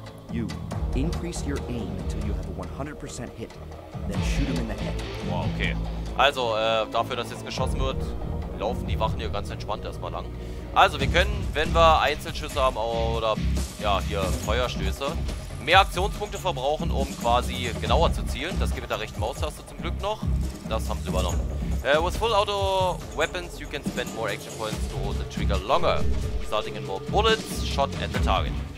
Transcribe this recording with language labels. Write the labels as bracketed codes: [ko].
[en] You increase your aim until you have a 100% hit. Then shoot him in the head. Wow, okay. [de] Also, dafür, dass jetzt geschossen wird, laufen die Wachen hier ganz entspannt erstmal lang. Also, wir können, wenn wir Einzelschüsse haben oder, ja, hier Feuerstöße, mehr Aktionspunkte verbrauchen, um quasi genauer zu zielen. Das geht mit der rechten Maustaste zum Glück noch. Das haben sie übernommen. [en] With full auto weapons, you can spend more action points to hold the trigger longer. Starting in more bullets, shot at the target.